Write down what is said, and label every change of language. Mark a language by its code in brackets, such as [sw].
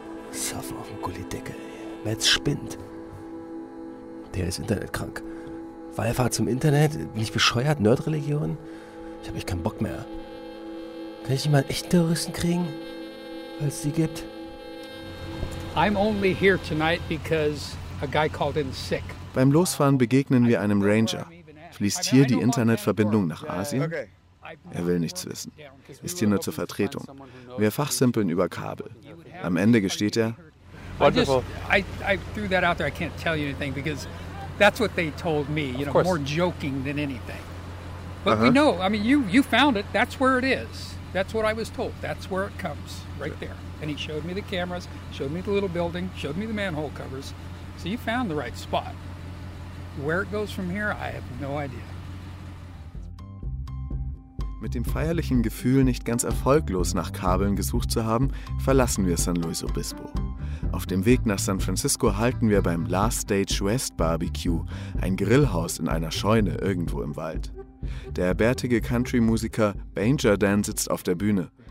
[de] Surfen auf dem Gullideckel. Metz spinnt. Der ist internetkrank. Wallfahrt zum Internet? Bin ich bescheuert? Nerd-Religion? Ich hab echt keinen Bock mehr. Kann ich nicht mal einen echten Terroristen kriegen? Weil es die gibt. [en] I'm only here tonight because a guy called in sick. [de] Beim Losfahren begegnen wir einem Ranger. Fließt hier die Internetverbindung nach Asien? Er will nichts wissen. Ist hier nur zur Vertretung. Wir fachsimpeln über Kabel. Am Ende gesteht er: [en] I threw that out there. I can't tell you anything because that's what they told me. You know, more joking than anything. But we know. I mean, you found it. That's where it is. That's what I was told. That's where it comes, right there. And he showed me the cameras, showed me the little building, showed me the manhole covers. So you found the right spot. Where it goes from here, I have no idea. [de] Mit dem feierlichen Gefühl, nicht ganz erfolglos nach Kabeln gesucht zu haben, verlassen wir San Luis Obispo. Auf dem Weg nach San Francisco halten wir beim Last Stage West Barbecue, ein Grillhaus in einer Scheune irgendwo im Wald. Der bärtige Country-Musiker Banger Dan sitzt auf der Bühne.